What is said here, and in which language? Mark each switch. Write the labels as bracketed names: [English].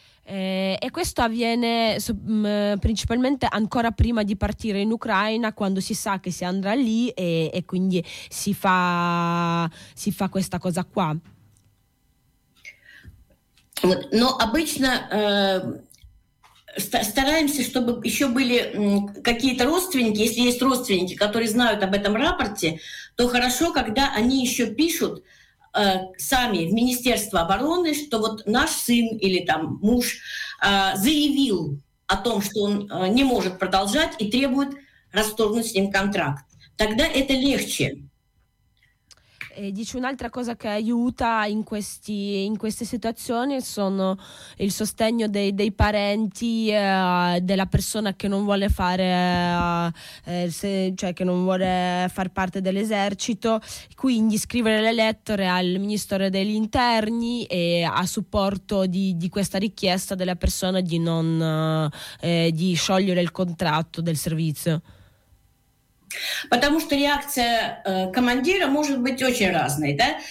[Italian] E questo avviene principalmente ancora prima di partire in Ucraina, quando si sa che si andrà lì e quindi si fa questa cosa qua. [Russian] Но обычно стараемся, чтобы еще были какие-то родственники, если есть родственники, которые знают об этом рапорте, то хорошо, когда они еще пишут сами в Министерство обороны, что вот наш сын или там муж заявил о том, что он не может продолжать и требует расторгнуть с ним контракт. Тогда это легче. [Italian] E dice un'altra cosa che aiuta in queste situazioni sono il sostegno dei parenti della persona che non vuole fare che non vuole far parte dell'esercito, quindi scrivere le lettere al ministro degli interni e a supporto di questa richiesta della persona di non di sciogliere il contratto del servizio. [Russian] Потому что реакция командира может быть очень разной, да?